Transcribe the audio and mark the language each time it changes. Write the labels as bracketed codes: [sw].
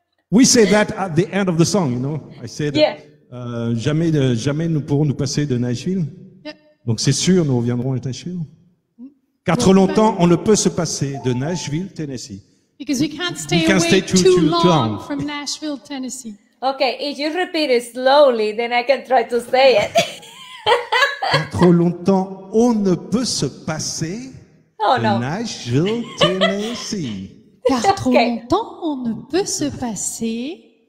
[en] We say that at the end of the song, you know. I said [fr] jamais nous pourrons nous passer de Nashville. [en] Yep. [fr] Donc c'est sûr, nous reviendrons à Nashville. Car trop longtemps, on ne peut se passer de Nashville, Tennessee. [en] Because we can't stay away too long from Nashville, Tennessee. Okay, if you repeat it slowly, then I can try to say it. [fr] Car trop longtemps, on ne peut se passer de Nashville, Tennessee. Car trop longtemps, on ne peut se passer